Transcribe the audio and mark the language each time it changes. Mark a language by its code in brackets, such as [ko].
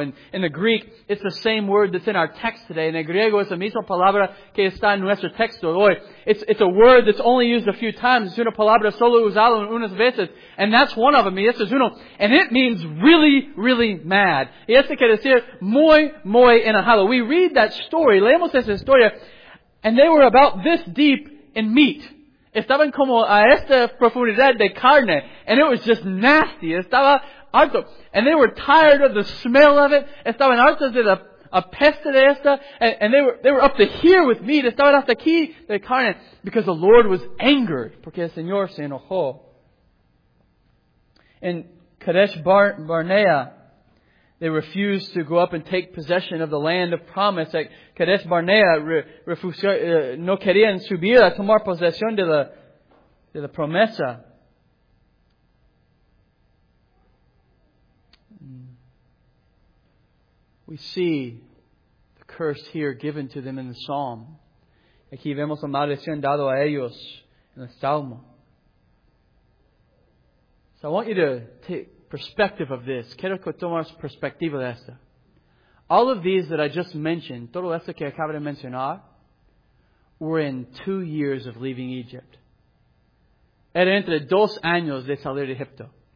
[en] And in the Greek, it's the same word that's in our text today. [es] En el griego es la misma palabra que está en nuestro texto hoy. [en] It's a word that's only used a few times. [es] Es una palabra solo usada unas veces. [en] And that's one of them. [es] Y este es uno. [en] And it means really, really mad. [es] Y este quiere decir muy, muy enojado. [en] We read that story. [es] Leemos esa historia. [en] And they were about this deep in meat. [es] Estaban como a esta profundidad de carne. [en] And it was just nasty. [es] Estaba harto. [en] And they were tired of the smell of it. [es] Estaban hartos de la peste de esta. [en] And they were up to here with meat. [es] Estaban hasta aquí de carne. [en] Because the Lord was angered. [es] Porque el Señor se enojó. [en] In Kadesh Barnea, they refused to go up and take possession of the land of promise. [es] At Kadesh Barnea, no querían subir a tomar posesión de la promesa. [en] We see the curse here given to them in the psalm. [es] Aquí vemos la maldición dado a ellos en el salmo. [en] So I want you to take perspective of this. [es] Quiero que tomes perspectiva de esta. [en] All of these that I just mentioned, [es] todo esto que acabo de mencionar, [en] were in 2 years of leaving Egypt. [es] Era entre 2 años de salir de Egipto.